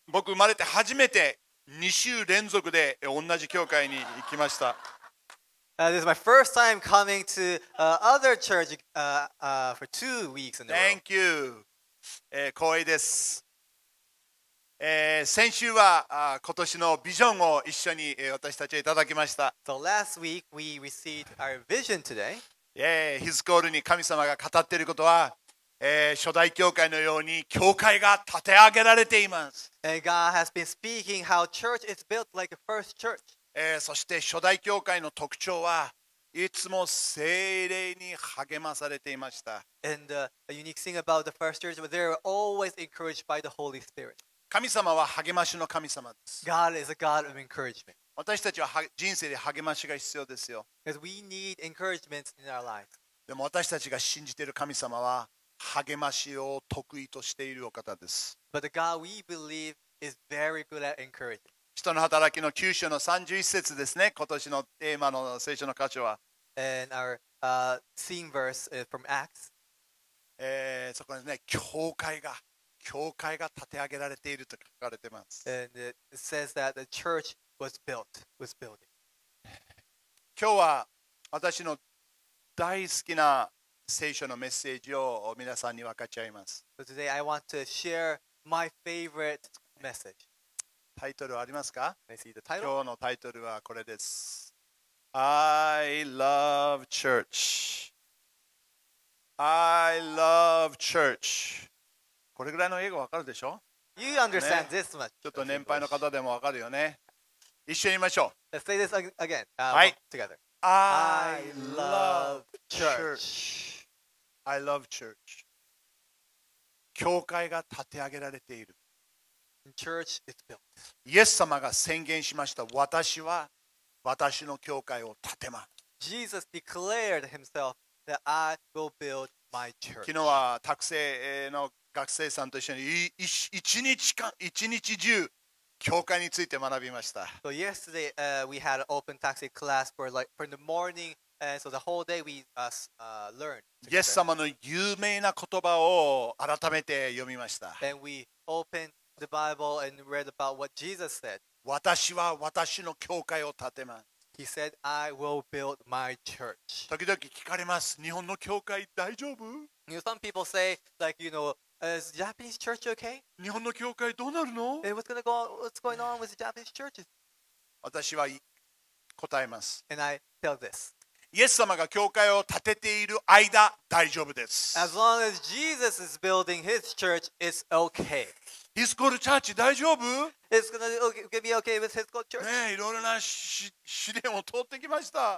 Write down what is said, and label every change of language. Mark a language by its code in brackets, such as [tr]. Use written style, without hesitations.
[ja] 僕、生まれて初めて2週連続で同じ教会に行きました。 [en] This is my first time coming to other church for 2 weeks in a row. Thank you. [ja] 光栄です。先週は今年のビジョンを一緒に私たちいただきました。 [en] So last week we received our vision today. [ja] Yeah, His call に神様が語っていることは、初代教会のように教会が立て上げられています。 [en] God has been speaking how church is built like a first church. [ja] そして初代教会の特徴は、いつも聖霊に励まされていました。 [en] And a unique thing about the first church was they were always encouraged by the Holy Spirit. [ja] 神様は励ましの神様です。 [en] God is a God of encouragement. [ja] 私たちは人生で励ましが必要ですよ。 [en] Because we need encouragement in our life. [ja] でも私たちが信じている神様は励ましを得意としているお方です。 [en] But the God we believe is very good at encouraging. [ja] 使徒の働きの9章の31節ですね。今年のテーマの聖書の箇所は。 [en] And our theme verse is from Acts. [ja] そこですね。教会が立て上げられていると書かれています。 [en] And it says that the church was built, was building. [ja] 今日は私の大好きな聖書のメッセージを皆さんに分かち合います。 [en] So、today I want to share my favorite message. [ja] タイトルありますか？ [en] I see the title. [ja] 今日のタイトルはこれです。 [en] I love church. I love church. [ja] これぐらいの英語わかるでしょ [en] ？You understand this much. [ja] ちょっと年配の方でもわかるよね。一緒に言いましょう。 [en] Let's say this again. [ja] はい。 [en] Together. I love church. I love church. [ja] 教会が立て上げられている。 [en] Church is built. [ja] イエス様が宣言しました。私は私の教会を建てます。 [en] Jesus declared himself that I will build my church. [ja] 昨日は託聖の学生さんと一緒に一日中教会について学びました。 [en] So yesterday, we had an open taxi class for like from the morning, and so the whole day we learned. [ja] イエス様の有名な言葉を改めて読みました。 [en] And we opened the Bible and read about what Jesus said. [ja] 私は私の教会を建てます。 [en] He said, "I will build my church." [ja] 時々聞かれます。日本の教会大丈夫？ [en] You know, some people say, like you know. Is Japanese church okay? [ja] 日本の教会どうなるの? [en] What's going on with the Japanese churches? [ja] 私は答えます。 [en] And I tell this. [ja] イエス様が教会を建てている間、大丈夫です。 [en] As long as Jesus is building his church, it's okay. His called church, [ja] 大丈夫? [en] It's gonna be okay with his called church. [ja] ねえ、いろいろな試練を通ってきました。